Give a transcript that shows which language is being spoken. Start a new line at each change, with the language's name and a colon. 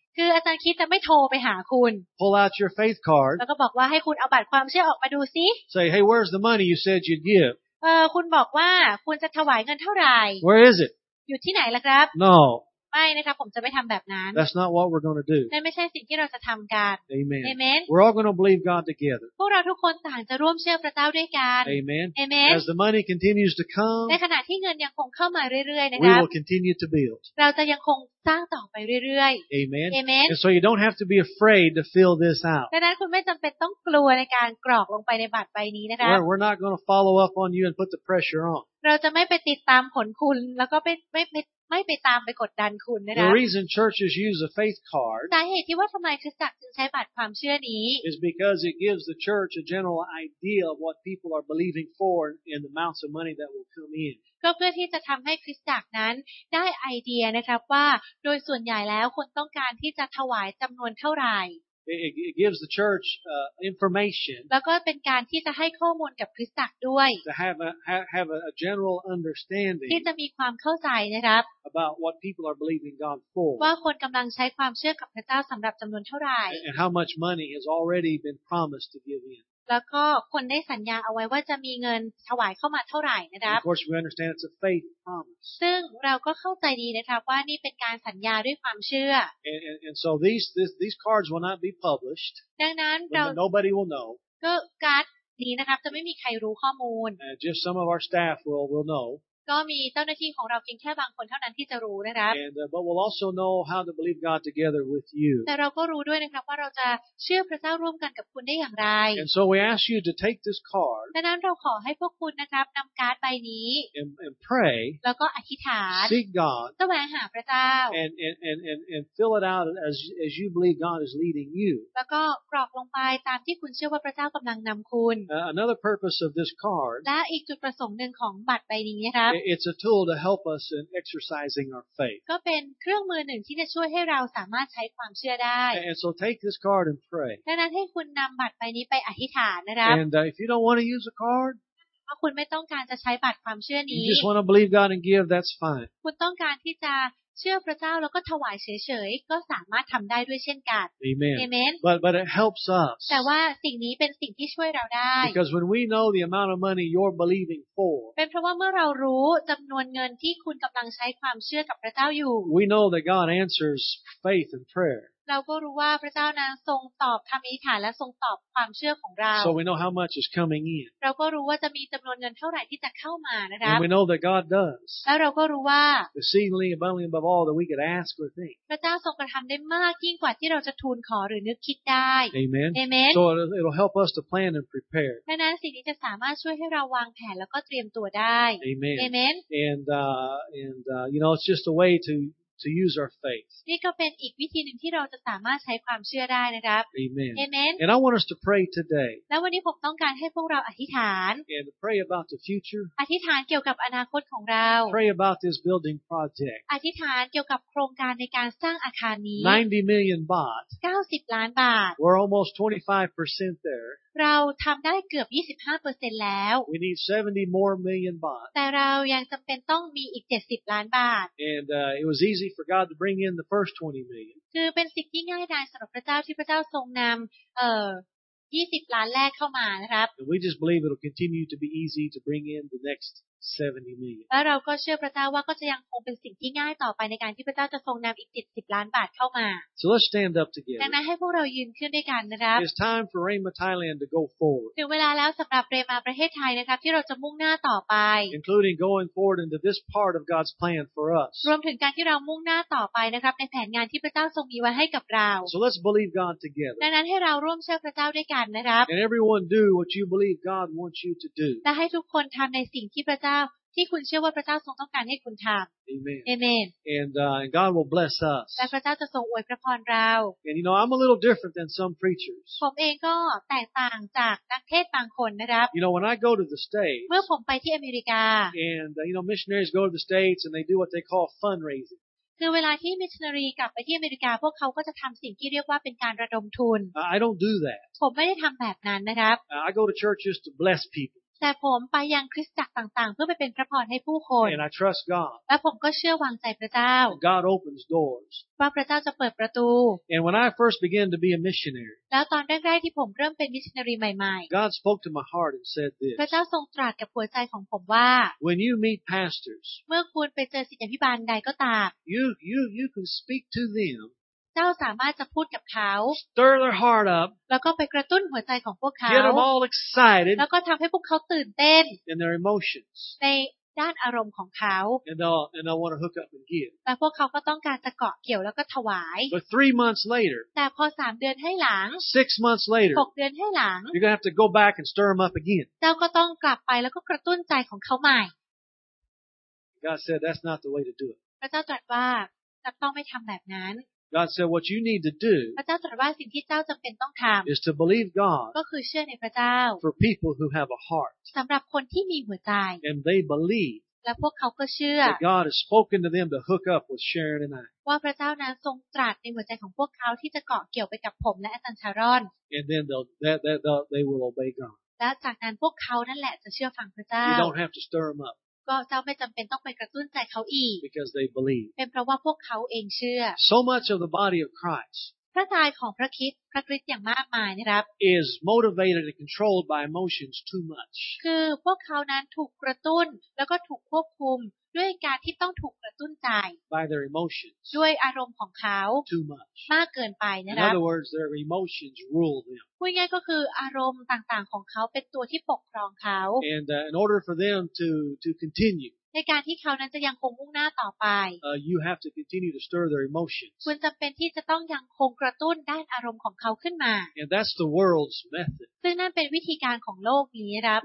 Thai: คืออาจารย์คิดจะไม่โทรไปหาคุณ
English: Pull out your faith card
Thai: แล้วก็บอกว่าให้คุณเอาบัตรความเชื่อออกมาดูซิ
English: Say hey where's the money you said you'd give
Thai: คุณบอกว่าคุณจะถวายเงินเท่าไหร่
English: Where is it
Thai: อยู่ที่ไหนล่ะครับ
English: No
Thai: ไม่นะครับผมจะไม่ทำแบบนั้น
English: That's not what we're going to do
Thai: นั่นไม่ใช่สิ่งที่เราจะทำกัน
English: Amen
Thai: Amen
English: We're all going to believe God together
Thai: พวกเราทุกคนต่างจะร่วมเชื่อพระเจ้าด้วยกัน
English: Amen
Thai: Amen
English: As the money continues to come
Thai: ในขณะที่เงินยังคงเข้ามาเรื่อยๆนะครับ
English: We will continue to build
Thai: เราจะยังคงสร้างต่อไปเรื่อย
English: ๆ Amen
Thai: Amen
English: And so you don't have to be afraid to fill this out
Thai: ดังนั้นคุณไม่จำเป็นต้องกลัวในการกรอกลงไปในบัตรใบนี้นะครับ
English: We're not going to follow up on you and put the pressure on
Thai: เราจะไม่ไปติดตามผลคุณแล้วก็ไม่ไปตามไปกดดันคุณนะครับ
English: The reason churches use a faith card
Thai: สาเหตุที่ว่าทำไมคริสตจักรถึงใช้บัตรความเชื่อนี้
English: is because it gives the church a general idea of what people are believing for in the amounts of money that will come in
Thai: ก็เพื่อที่จะทำให้คริสตจักรนั้นได้ไอเดียนะครับว่าโดยส่วนใหญ่แล้วคนต้องการที่จะถวายจำนวนเท่าไหร่
English: It gives the church information.
Thai: แล้วก็เป็นการที่จะให้ข้อมูลกับคริสตจักรด้วย
English: To have a general understanding.
Thai: ที่จะมีความเข้าใจนะครับ
English: About what people are believing God for.
Thai: ว่าคนกำลังใช้ความเชื่อกับพระเจ้าสำหรับจำนวนเท่าไหร่
English: And how much money has already been promised to give in.
Thai: แล้วก็คนได้สัญญาเอาไว้ว่าจะมีเงินถวายเข้ามาเท่าไหร่นะครับ
English: Of course we understand it's a faith promise
Thai: ซึ่งเราก็เข้าใจดีนะครับว่านี่เป็นการสัญญาด้วยความเชื่อ
English: and so these cards will not be published
Thai: ดังนั้นเรา
English: nobody will know
Thai: ก็การ์ดนี้นะครับจะไม่มีใครรู้ข้อมูล
English: just some of our staff will know
Thai: ก็มีเจ้าหน้าที่ของเราเพียงแค่บางคนเท่านั้นที่จะรู้นะครับ
English: but we'll also know how to believe God together with you
Thai: แต่เราก็รู้ด้วยนะครับว่าเราจะเชื่อพระเจ้าร่วมกันกับคุณได้อย่างไร
English: and so we ask you to take this card
Thai: ดังนั้นเราขอให้พวกคุณนะครับนำการ์ดใบนี้
English: and pray
Thai: แล้วก็อธิษฐาน
English: seek God
Thai: แสวงหาพระเจ้า
English: and fill it out as you believe God is leading you
Thai: แล้วก็กรอกลงไปตามที่คุณเชื่อว่าพระเจ้ากำลังนำคุณ
English: another purpose of this card
Thai: และอีกจุดประสงค์นึงของบัตรใบนี้นะครับ
English: It's a tool to help us in exercising our faith.
Thai: ก็เป็นเครื่องมือหนึ่งที่จะช่วยให้เราสามารถใช้ความเชื่อได้
English: And so take this card and pray.
Thai: ดังนั้นให้คุณนำบัตรใบนี้ไปอธิษฐานนะครับ
English: And if you don't want to use a card,
Thai: ถ้าคุณไม่ต้องการจะใช้บัตรความเชื่อนี้
English: You just want to believe God and give, that's fine.
Thai: คุณต้องการที่จะเชื่อพระเจ้าแล้วก็ถวายเฉยๆก็สามารถทำได้ด้วยเช่นกัน
English: Amen.
Thai: Amen.
English: But it helps us.
Thai: แต่ว่าสิ่งนี้เป็นสิ่งที่ช่วยเราได้
English: Because when we know the amount of money you're believing for,
Thai: เป็นเพราะว่าเมื่อเรารู้จำนวนเงินที่คุณกำลังใช้ความเชื่อกับพระเจ้าอยู่
English: We know that God answers faith and prayer
Thai: เราก็รู้ว่าพระเจ้านั้นทรงตอบคำอธิษฐานและทรงตอบความเชื่อของเรา
English: So we know how much is coming in
Thai: เราก็รู้ว่าจะมีจำนวนเงินเท่าไหร่ที่จะเข้ามานะครับ
English: And we know that God does
Thai: แล้วเราก็รู้ว่า
English: Exceedingly abundantly above all that we could ask or think
Thai: พระเจ้าทรงกระทำได้มากยิ่งกว่าที่เราจะทูลขอหรือนึกคิดได้
English: Amen
Thai: Amen
English: So it'll help us to plan and prepare
Thai: ดังนั้นสิ่งนี้จะสามารถช่วยให้เราวางแผนแล้วก็เตรียมตัวได้
English: Amen
Thai: Amen
English: And you know it's just a way to use our faith.
Thai: นี่ก็เป็นอีกวิธีนึงที่เราจะสามารถใช้ความเชื่อได้นะครับ
English: Amen.
Thai: Amen.
English: And I want us to pray today.
Thai: แล้ววันนี้ผมต้องการให้พวกเราอธิษฐาน
English: And pray about the future.
Thai: อธิษฐานเกี่ยวกับอนาคตของเรา
English: Pray about this building project.
Thai: อธิษฐานเกี่ยวกับโครงการในการสร้างอาคารนี้
English: 90 million baht.
Thai: 90ล้านบาท
English: We're almost 25% there.
Thai: เราทำได้เกือบ 25% แล้ว
English: We need 70 more million baht
Thai: แต่เรายังจำเป็นต้องมีอีก70ล้านบาท
English: And it was easy for God to bring in the first 20 million
Thai: คือเป็นสิ่งที่ง่ายดายสำหรับพระเจ้าที่พระเจ้าทรงนำ20ล้านแรกเข้ามานะครับ
English: And we just believe it'll continue to be easy to bring in the next 70 million
Thai: และเราก็เชื่อพระเจ้าว่าก็จะยังคงเป็นสิ่งที่ง่ายต่อไปในการที่พระเจ้าจะทรงนำอีก70ล้านบาทเข้ามา
English: So let's stand up together
Thai: ดังนั้นให้พวกเรายืนขึ้นด้วยกันนะครับ
English: It's time for Rema Thailand to go forward
Thai: ถึงเวลาแล้วสำหรับเรมาประเทศไทยนะครับที่เราจะมุ่งหน้าต่อไป
English: Including going forward into this part of God's plan for us
Thai: รวมถึงการที่เรามุ่งหน้าต่อไปนะครับในแผนงานที่พระเจ้าทรงมีไว้ให้กับเรา
English: So let's believe God together
Thai: ดังนั้นให้เราร่วมเชื่อพระเจ้าด้วยกันนะครับ
English: And everyone do what you believe God wants you to do
Thai: และให้ทุกคนทำในสิ่งที่พระที่คุณเชื่อว่าพระเจ้าทรงต้องการให้คุณทำ
English: Amen.
Thai: Amen.
English: And God will bless us.
Thai: และพระเจ้าจะทรงอวยพรเรา
English: And you know I'm a little different than some preachers.
Thai: ผมเองก็แตกต่างจากนักเทศบางคนนะครับ
English: You know when I go to the States.
Thai: เมื่อผมไปที่อเมริกา
English: And you know missionaries go to the States and they do what they call fundraising.
Thai: คือเวลาที่มิชชันนารีกลับไปที่อเมริกาพวกเขาก็จะทำสิ่งที่เรียกว่าเป็นการระดมทุน
English: I don't do that.
Thai: ผมไม่ได้ทำแบบนั้นนะครับ
English: I go to churches to bless people.
Thai: แต่ผมไปยังคริสตจักรต่างๆเพื่อไปเป็นพระพรให้ผู้คนและผมก็เชื่อวางใจพระเจ้า
English: God opens doors
Thai: ว่าพระเจ้าจะเปิดประตู
English: And when I first began to be a missionary
Thai: แล้วตอนแรกๆที่ผมเริ่มเป็นมิชชันนารีใหม่ๆ
English: God spoke to my heart and said this
Thai: พระเจ้าทรงตรัสกับหัวใจของผมว่า
English: When you meet pastors
Thai: เมื่อคุณไปเจอศิษย์อภิบาลใดก็ตาม
English: you can speak to them
Thai: เจ้าสามารถจะพูดกับเขา
English: Stir their heart up
Thai: แล้วก็ไปกระตุ้นหัวใจของพวกเขา
English: Get them all excited
Thai: แล้วก็ทำให้พวกเขาตื่นเต้
English: In their emotions
Thai: ในด้านอารมณ์ของเขา
English: And they want to hook up and give
Thai: แต่พวกเขาก็ต้องการจะเกาะเกี่ยวแล้วก็ถวาย
English: But 3 months later
Thai: แต่พอ3เดือนให้หลัง
English: 6 months later
Thai: 6เดือนให้หลัง
English: You're going to have to go back and stir them up again
Thai: เจ้าก็ต้องกลับไปแล้วก็กระตุ้นใจของเขาใหม่
English: God said that's not the way to do it
Thai: พระเจ้าตรัสว่าจะต้องไม่ทำแบบนั้น
English: God said what you need to do
Thai: พระเจ้าตรัสว่าสิ่งที่เจ้าจำเป็นต้องทำ
English: is to believe God
Thai: ก็คือเชื่อในพระเจ้า
English: for people who have a heart
Thai: สำหรับคนที่มีหัวใจ
English: and they believe
Thai: และพวกเขาก็เชื่อ
English: that God has spoken to them to hook up with Sharon and I
Thai: ว่าพระเจ้านั้นทรงตรัสในหัวใจของพวกเขาที่จะเกาะเกี่ยวไปกับผมและอาจารย์ชารอน
English: and then they will obey God
Thai: และจากนั้นพวกเขานั่นแหละจะเชื่อฟังพระเจ้า
English: you don't have to stir them up
Thai: ก็เจ้าไม่จำเป็นต้องไปกระตุ้นใจเขาอีก
English: Because they believe
Thai: เป็นเพราะว่าพวกเขาเองเชื่อ
English: So much of the body of Christ
Thai: พระทัยของพระคริสต์พระคริสต์อย่างมากมายนะครับ
English: is motivated and controlled by emotions too much
Thai: คือพวกเขานั้นถูกกระตุ้นแล้วก็ถูกควบคุมด้วยการที่ต้องถูกกระตุ้นใจ
English: by their emotions
Thai: ด้วยอารมณ์ของเขา
English: too much
Thai: มากเกินไปนะครับ
English: in other words their emotions rule them
Thai: พูดง่ายก็คืออารมณ์ต่างๆของเขาเป็นตัวที่ปกครองเขา
English: and in order for them to continue
Thai: ในการที่เขานั้นจะยังคงมุ่งหน้าต่อไป
English: you have to continue to stir their emotions
Thai: คุณจำเป็นที่จะต้องยังคงกระตุ้นด้านอารมณ์ของเขาขึ้นมา
English: and that's the world's method
Thai: ซึ่งนั่นเป็นวิธีการของโลกนี้ครับ